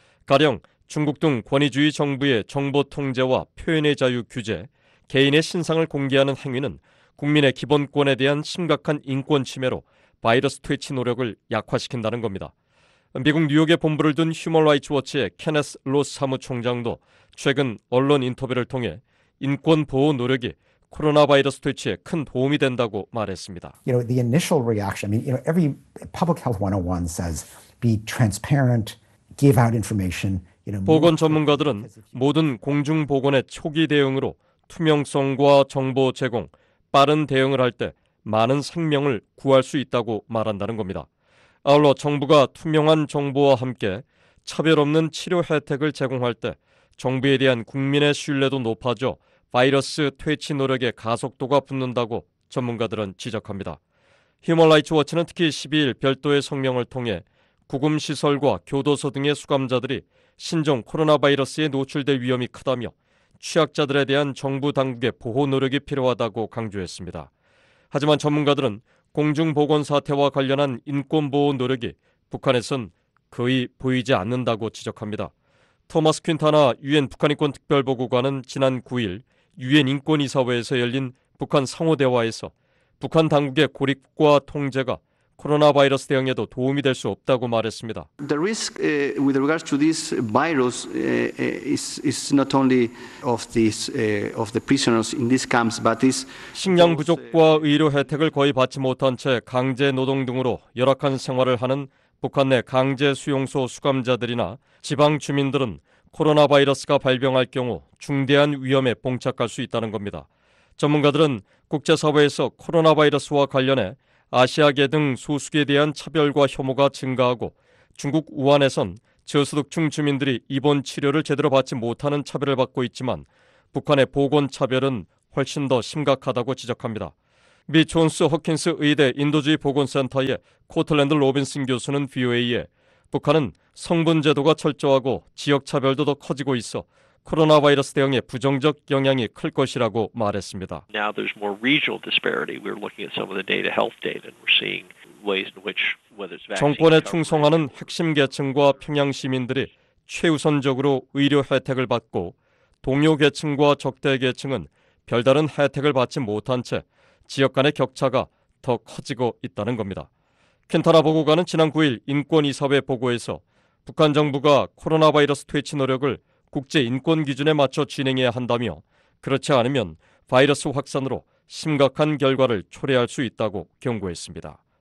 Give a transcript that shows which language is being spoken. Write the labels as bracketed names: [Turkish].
[Korean] 가령 중국 등 권위주의 정부의 정보 통제와 표현의 자유 규제, 개인의 신상을 공개하는 행위는 국민의 기본권에 대한 심각한 인권 침해로 바이러스 퇴치 노력을 약화시킨다는 겁니다. 미국 뉴욕에 본부를 둔 휴먼 라이츠 워치의 케네스 로스 사무총장도 최근 언론 인터뷰를 통해 인권 보호 노력이 코로나 바이러스 퇴치에 큰 도움이 된다고 말했습니다. [English] You know, the initial reaction, I mean, you know, every public health 101 says be transparent, give out information. You know, [Korean] 보건 전문가들은 모든 공중 보건의 초기 대응으로 투명성과 정보 제공, 빠른 대응을 할 때 많은 생명을 구할 수 있다고 말한다는 겁니다. 아울러 정부가 투명한 정보와 함께 차별 없는 치료 혜택을 제공할 때 정부에 대한 국민의 신뢰도 높아져 바이러스 퇴치 노력의 가속도가 붙는다고 전문가들은 지적합니다. 휴먼 라이츠 워치는 특히 12일 별도의 성명을 통해 구금시설과 교도소 등의 수감자들이 신종 코로나 바이러스에 노출될 위험이 크다며 취약자들에 대한 정부 당국의 보호 노력이 필요하다고 강조했습니다. 하지만 전문가들은 공중보건 사태와 관련한 인권보호 노력이 북한에선 거의 보이지 않는다고 지적합니다. 토마스 퀸타나 유엔 북한인권특별보고관은 지난 9일 유엔 인권이사회에서 열린 북한 상호대화에서 북한 당국의 고립과 통제가 코로나 바이러스 대응에도 도움이 될 수 없다고 말했습니다. [English] The risk with regards to this virus is not only of this of the prisoners in these camps, but is [Korean] 식량 부족과 의료 혜택을 거의 받지 못한 채 강제 노동 등으로 열악한 생활을 하는 북한 내 강제 수용소 수감자들이나 지방 주민들은 코로나 바이러스가 발병할 경우 중대한 위험에 봉착할 수 있다는 겁니다. 전문가들은 국제사회에서 코로나 바이러스와 관련해 아시아계 등 소수계에 대한 차별과 혐오가 증가하고 중국 우한에선 저소득층 주민들이 입원 치료를 제대로 받지 못하는 차별을 받고 있지만 북한의 보건 차별은 훨씬 더 심각하다고 지적합니다. 미 존스 허킨스 의대 인도주의 보건센터의 코틀랜드 로빈슨 교수는 VOA에 북한은 성분 제도가 철저하고 지역 차별도 더 커지고 있어 코로나 바이러스 대응에 부정적 영향이 클 것이라고 말했습니다. [English] Now there's more regional disparity. We're looking at some of the data, health data, and we're seeing ways in which whether it's [Korean] 정권에 충성하는 핵심 계층과 평양 시민들이 최우선적으로 의료 혜택을 받고 동료 계층과 적대 계층은 별다른 혜택을 받지 못한 채 지역 간의 격차가 더 커지고 있다는 겁니다. 켄타라 보고관은 지난 9일 인권이사회 보고에서 북한 정부가 코로나 바이러스 퇴치 노력을 국제 인권 기준에 맞춰 진행해야 한다며 그렇지 않으면 바이러스 확산으로 심각한 결과를 초래할 수 있다고 경고했습니다.